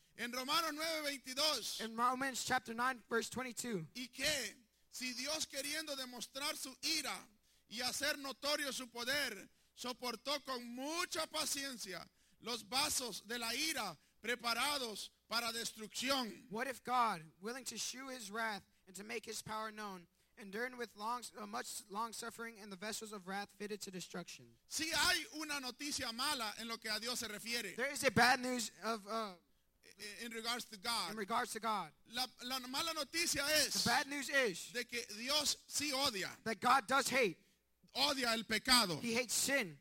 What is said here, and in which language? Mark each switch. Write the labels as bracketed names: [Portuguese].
[Spanish] En Romanos 9:22. [English] In Romans chapter 9 verse 22. [Spanish] Y que si Dios queriendo demostrar su ira y hacer notorio su poder, soportó con mucha paciencia los vasos de la ira preparados para destrucción. [English] What if God, willing to shew his wrath and to make his power known, enduring with much long suffering in the vessels of wrath fitted to destruction? [Spanish] Si hay una noticia mala en lo que a Dios se refiere. [English] There is a bad news of in regards to God. In regards to God. [Spanish] La mala noticia es. [English] The bad news is. [Spanish] De que Dios sí odia. [English] That God does hate. [Spanish] Odia el pecado. [English] He hates sin.